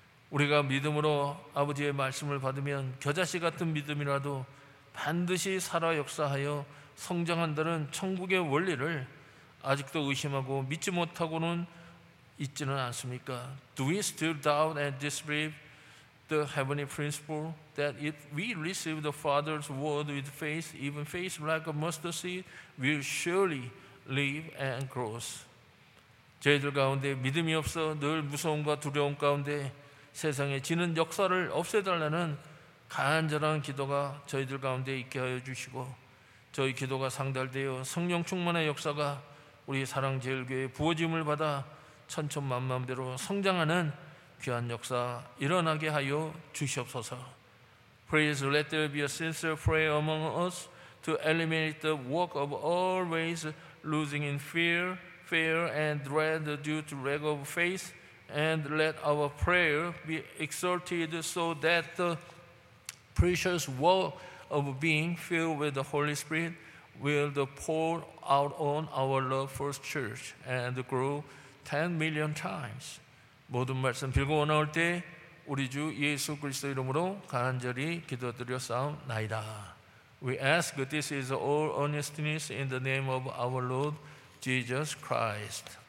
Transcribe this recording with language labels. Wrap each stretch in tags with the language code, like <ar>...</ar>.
<ko>우리가 믿음으로 아버지의 말씀을 받으면 겨자씨 같은 믿음이라도 반드시 살아 역사하여 성장한다는 천국의 원리를 아직도 의심하고 믿지 못하고는 있지는 않습니까?</ko> <en>Do we still doubt and disbelieve the heavenly principle that if we receive the Father's word with faith, even faith like a mustard seed, we'll surely live and grow.</en> <ko>저희들 가운데 믿음이 없어 늘 무서움과 두려움 가운데 세상에 지는 역사를 없애달라는 간절한 기도가 저희들 가운데 있게 하여 주시고 저희 기도가 상달되어 성령 충만의 역사가 우리 사랑제일교회에 부어짐을 받아 천천만만대로 성장하는 귀한 역사 일어나게 하여 주시옵소서.</ko> <en>Please let there be a sincere prayer among us to eliminate the work of always losing in fear and dread due to lack of faith, and let our prayer be exalted so that the precious work of being filled with the Holy Spirit will pour out on our love for church and grow 10 million times.</en> <ko>모든 말씀 빌고 나올 때 우리 주 예수 그리스도 이름으로 간절히 기도드렸사옵나이다.</ko> <en>We ask this is all earnestness in the name of our Lord Jesus Christ.</en>